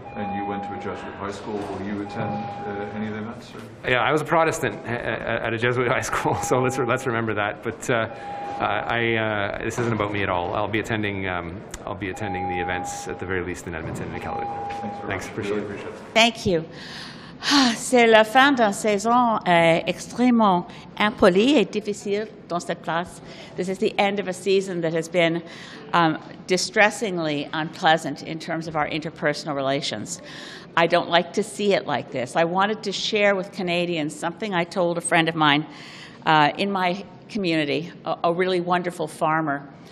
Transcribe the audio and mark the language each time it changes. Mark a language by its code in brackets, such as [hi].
[en] And you went to a Jesuit high school. Will you attend any of the events, sir? Yeah, I was a Protestant at a Jesuit high school, so let's remember that. But this isn't about me at all. I'll be attending the events at the very least in Edmonton and Calgary. Thanks, appreciate it. Thank you. [fr] C'est la fin d'une saison extrêmement impolie et difficile dans cette place. [en] This is the end of a season that has been distressingly unpleasant in terms of our interpersonal relations. I don't like to see it like this. I wanted to share with Canadians something I told a friend of mine in my community, a really wonderful farmer.